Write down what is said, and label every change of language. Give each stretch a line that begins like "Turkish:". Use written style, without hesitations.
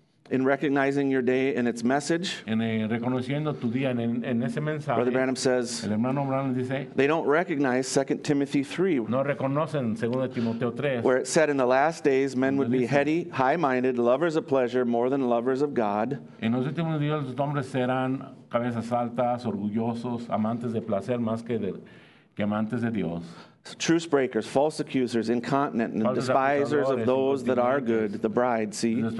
English: In recognizing your day and its message,
Spanish: reconociendo tu día en ese mensaje,
English: Brother Branham says,
Spanish: el hermano Branham dice,
English: they don't recognize 2 Timothy 3,
Spanish: no reconocen 2 Timoteo 3,
English: where it said, in the last days, men would be heady, high-minded, lovers of pleasure, more than lovers of God.
Spanish: En los últimos días, los hombres serán cabezas altas, orgullosos, amantes de placer más que amantes de Dios.
English: Truce breakers, false accusers, incontinent, and despisers of those that are good, the bride, see?